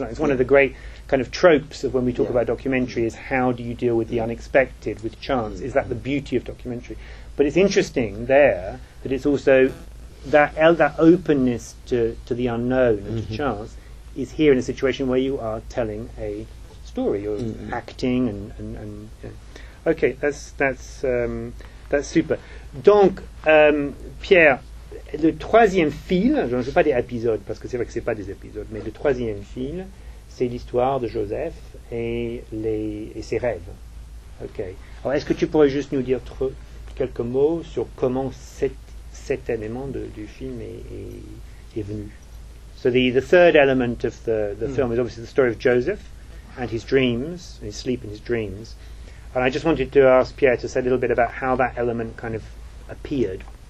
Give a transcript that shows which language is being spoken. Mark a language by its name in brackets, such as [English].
[English] It's one mm-hmm. of the great kind of tropes of when we talk yeah. about documentary, is how do you deal with the unexpected, with chance? Mm-hmm. Is that the beauty of documentary? But it's interesting there that it's also that that openness to the unknown and mm-hmm. to chance is here in a situation where you are telling a story, you're mm-hmm. acting and yeah. Okay, that's super. [French] Donc, Pierre, le troisième fil, je ne veux pas des épisodes, parce que c'est vrai que ce n'est pas des épisodes, mais le troisième fil, c'est l'histoire de Joseph et ses rêves. Okay. Alors, est-ce que tu pourrais juste nous dire quelques mots sur comment cet élément du film est venu? [English] So the third element of the film is obviously the story of Joseph and his dreams, his sleep and his dreams. And I just wanted to ask Pierre to say a little bit about how that element kind of appeared.